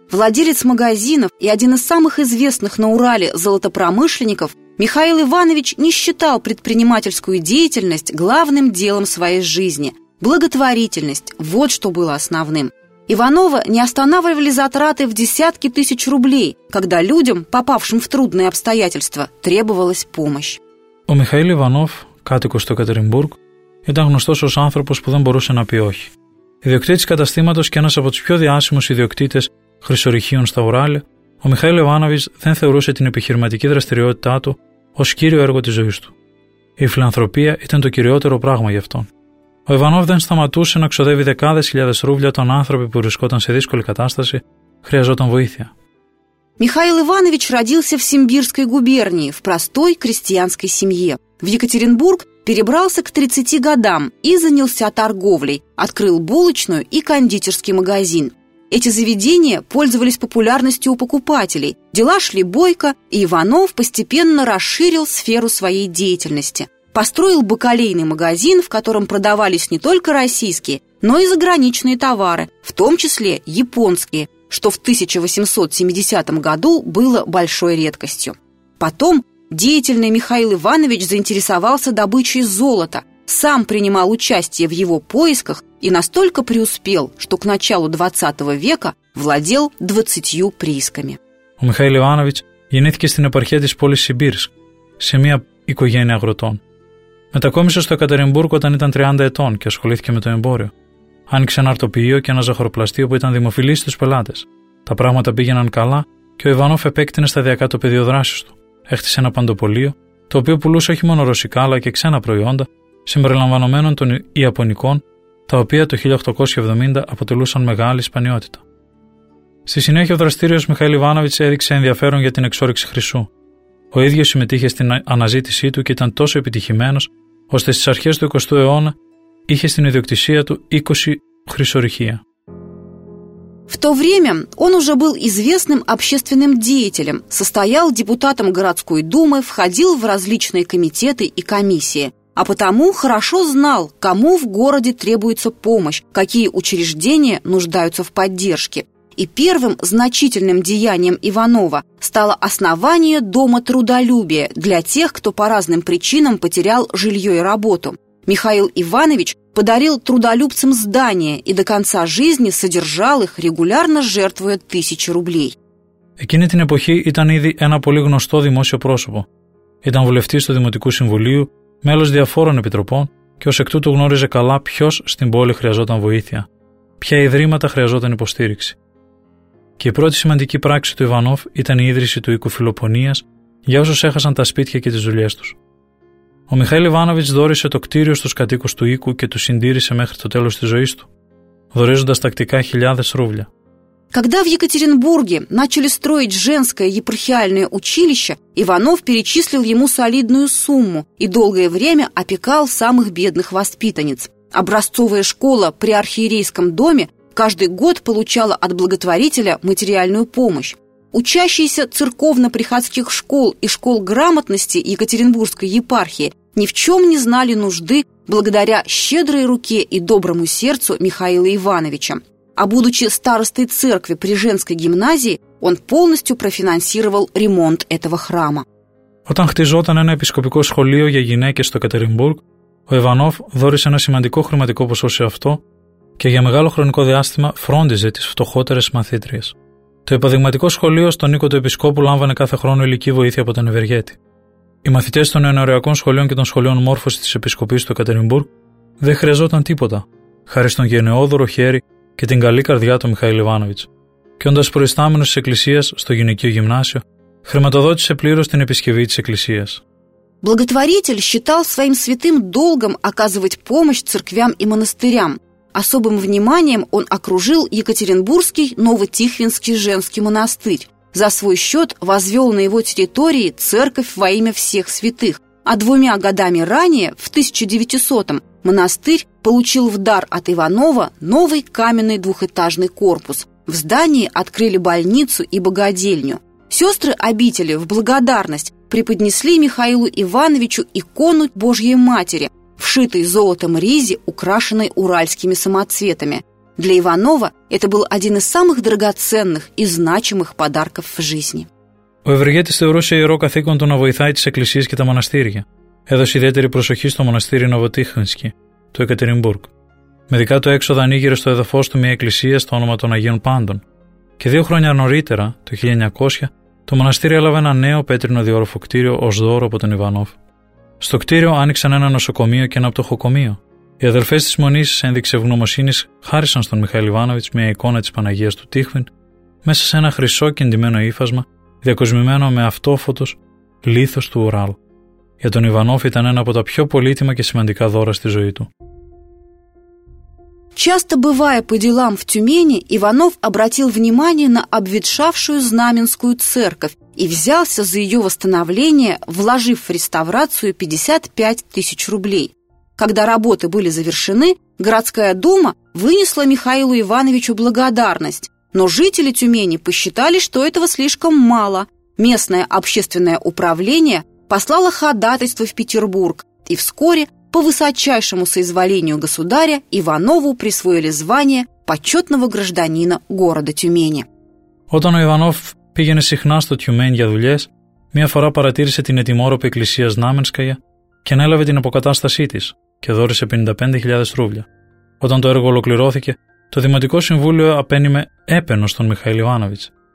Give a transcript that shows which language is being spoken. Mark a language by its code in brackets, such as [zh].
[ru] Владелец магазинов и один из самых известных на Урале золотопромышленников, Михаил Иванович не считал предпринимательскую деятельность главным делом своей жизни. Благотворительность – вот что было основным. Иванова не останавливали затраты в десятки тысяч рублей, когда людям, попавшим в трудные обстоятельства, требовалась помощь. [el] Ο Μιχαήλ Ιβανόφ, κάτοικος στο Κατερινμπούργκ, ήταν γνωστός ως άνθρωπος που δεν μπορούσε να πει όχι. Ιδιοκτήτης καταστήματος και ένας από τους πιο διάσημους ιδιοκτήτες χρυσορυχείων στα Ουράλια, ο Μιχαήλ Ιβάνοβιτς δεν θεωρούσε την επιχειρηματική δραστηριότητά του ως κύριο έργο της ζωής του. Η φιλανθρωπία ήταν το κυριότερο πράγμα για αυτόν. Ο Ιβανόφ δεν σταματούσε να ξοδεύει δεκάδες χιλιάδες ρούβλια τον άνθρωπο που βρισκόταν σε δύσκολη κατάσταση, χρειαζόταν βοήθεια. [ru] Михаил Иванович родился в Симбирской губернии в простой крестьянской семье. В Екатеринбург перебрался к 30 годам и занялся торговлей, открыл булочную и кондитерский магазин. Эти заведения пользовались популярностью у покупателей. Дела шли бойко, и Иванов постепенно расширил сферу своей деятельности. Построил бакалейный магазин, в котором продавались не только российские, но и заграничные товары, в том числе японские, что в 1870 году было большой редкостью. Потом деятельный Михаил Иванович заинтересовался добычей золота, сам принимал участие в его поисках и настолько преуспел, что к началу 20 века владел 20 приисками. [el] Ο Михаил Иванович γεννήθηκε στην επαρχία της πόλης Σιμπίρσκ, σε μια οικογένεια αγροτών. Μετακόμισε στο Κατερινμπούργκ όταν ήταν 30 ετών και ασχολήθηκε με το εμπόριο. Άνοιξε ένα αρτοποιείο και ένα ζαχαροπλαστείο που ήταν δημοφιλή στους πελάτες. Τα πράγματα πήγαιναν καλά και ο Ιβανόφ επέκτηνε σταδιακά το πεδίο δράσης του. Έχτισε ένα παντοπολείο, το οποίο πουλούσε όχι μόνο ρωσικά αλλά και ξένα προϊόντα, συμπεριλαμβανομένων των Ιαπωνικών, τα οποία το 1870 αποτελούσαν μεγάλη σπανιότητα. Στη συνέχεια, ο δραστήριος Μιχαήλ Ιβάνοβιτς έδειξε ενδιαφέρον για την εξόρυξη χρυσού. Ο ίδιος συμμετείχε στην αναζήτησή του και ήταν τόσο επιτυχημένος, ώστε στις αρχές του 20ου αιώνα είχε στην ιδιοκτησία του 20 χρυσορυχεία. [ru] В то время он уже был известным общественным деятелем, состоял депутатом городской думы, входил в различные комитеты и комиссии, а потому хорошо знал, кому в городе требуется помощь, какие учреждения нуждаются в поддержке. И первым значительным деянием Иванова стало основание Дома трудолюбия для тех, кто по разным причинам потерял жилье и работу. Михаил Иванович подарил трудолюбцам здание и до конца жизни содержал их, регулярно жертвуя 1000 рублей. [el] Εκείνη την εποχή ήταν ήδη ένα πολύ γνωστό δημόσιο πρόσωπο. Ήταν βουλευτής του Δημοτικού Συμβουλίου, μέλος διαφόρων επιτροπών και ως εκ τούτου γνώριζε καλά ποιος στην πόλη χρειαζόταν βοήθεια, ποια ιδρύματα χρειαζόταν υποστήριξη. Και η πρώτη σημαντική πράξη του Ιβανόφ ήταν η ίδρυση του οίκου Φιλοπονίας για όσους έχασαν τα σπίτια και τις δουλειές τους. Ο Μιχαήλ Ιβάνοβιτς δόρισε το κτίριο στους κατοίκους του οίκου και τους συντήρησε μέχρι το τέλος της ζωής του, δωρίζοντας τακτικά χιλιάδες ρούβλια. [ru] Когда в Екатеринбурге начали строить женское епархиальное училище, Иванов перечислил ему солидную сумму и долгое время опекал самых бедных воспитанниц. Образцовая школа при архиерейском доме каждый год получала от благотворителя материальную помощь. Учащиеся церковно-приходских школ и школ грамотности Екатеринбургской епархии ни в чем не знали нужды благодаря щедрой руке и доброму сердцу Михаила Ивановича. А будучи старостой церкви при женской гимназии, он полностью профинансировал ремонт этого храма. [el] Όταν χτιζόταν ένα επισκοπικό σχολείο για γυναίκες στο Κατερινμπούργκ, ο Ιβανόφ δώρησε ένα σημαντικό χρηματικό ποσό σε αυτό και για μεγάλο χρονικό διάστημα φρόντιζε τις φτωχότερες μαθήτριες. Το υποδειγματικό σχολείο στον οίκο του Επισκόπου λάμβανε κάθε χρόνο υλική βοήθεια από τον Ευεργέτη. Οι μαθητές των νεοριακών σχολείων και των σχολείων μόρφωσης της Επισκοπής του Κατερινμπούργκ δεν χρειαζόταν τίποτα, χάρη στον γενναιόδωρο χέρι και την καλή καρδιά του Μιχαήλ Ιβάνοβιτς. Και όντας προϊστάμενος της Εκκλησίας στο γυναικείο γυμνάσιο, χρηματοδότησε πλήρως την επισκευή της Εκκλησίας. [ru] Благотворитель считал своим святым долгом оказывать помощь церквям и монастырям. Особым вниманием он окружил Екатеринбургский Новотихвинский женский монастырь. За свой счет возвел на его территории церковь во имя всех святых. А двумя годами ранее, в 1900-м, монастырь получил в дар от Иванова новый каменный двухэтажный корпус. В здании открыли больницу и богадельню. Сестры обители в благодарность преподнесли Михаилу Ивановичу икону Божьей Матери, вшитый золотом ризе, украшенной уральскими самоцветами. Для Иванова это был один из самых драгоценных и значимых подарков в жизни. [el] Ο Ευεργέτης θεωρούσε ιερό καθήκον του να βοηθάει τις εκκλησίες και τα μοναστήρια. Έδωσε ιδιαίτερη προσοχή στο μοναστήρι Νοβοτίχνησκι, το Εκατερινμπούργκ. Με δικά του έξοδα ανοίγειρε στο εδαφός του μια εκκλησία στο όνομα των Αγίων Πάντων. Και δύο χρόνια νωρίτερα, το 1900, το μοναστήρι έλαβε ένα νέο πέτρινο διόροφο κτίριο ως δώρο από τον Ιβανόφ. Στο κτίριο άνοιξαν ένα νοσοκομείο και ένα πτωχοκομείο. Οι αδελφές της μονής, ένδειξη ευγνωμοσύνης, χάρισαν στον Μιχαήλ Ιβάνοβιτς μια εικόνα της Παναγίας του Τίχβιν μέσα σε ένα χρυσό κεντυμένο ύφασμα, διακοσμημένο με αυτόφωτος λίθος του Ουράλ. Για τον Ιβανόφ ήταν ένα από τα πιο πολύτιμα και σημαντικά δώρα στη ζωή του. [ru] Часто бывая по делам в Тюмени, Иванов обратил внимание на обветшавшую Знаменскую церковь и взялся за ее восстановление, вложив в реставрацию 55 тысяч рублей. Когда работы были завершены, городская дума вынесла Михаилу Ивановичу благодарность, но жители Тюмени посчитали, что этого слишком мало. Местное общественное управление послало ходатайство в Петербург, и вскоре по высочайшему соизволению государя Иванову присвоили звание почетного гражданина города Тюмени. [el] Όταν ο Иванов πήγαινε συχνά στο Τιουμέν για δουλειές, μία φορά παρατήρησε την ετοιμόρροπη εκκλησία Знаменская και ανέλαβε την αποκατάστασή της και δώρησε 55.000 ρούβλια. Όταν το έργο ολοκληρώθηκε, το Δημοτικό Συμβούλιο απένιμε έπαινο στον Μιχαήλ Ιβάνοβιτς.